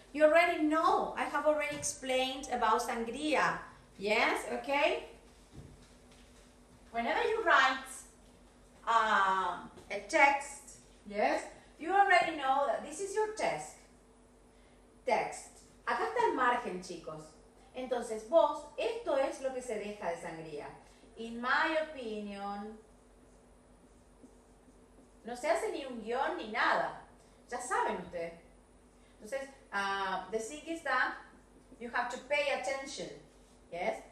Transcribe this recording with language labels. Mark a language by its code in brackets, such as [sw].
[en] You already know, I have already explained about sangria. Yes, okay? Whenever you write a text, yes, you already know that this is your test. [es] Text. Acá está el margen, chicos. Entonces, vos, esto es lo que se deja de sangría. [en] In my opinion, [es] no se hace ni un guión ni nada. Ya saben ustedes. [en] Entonces, the thing is that you have to pay attention, yes?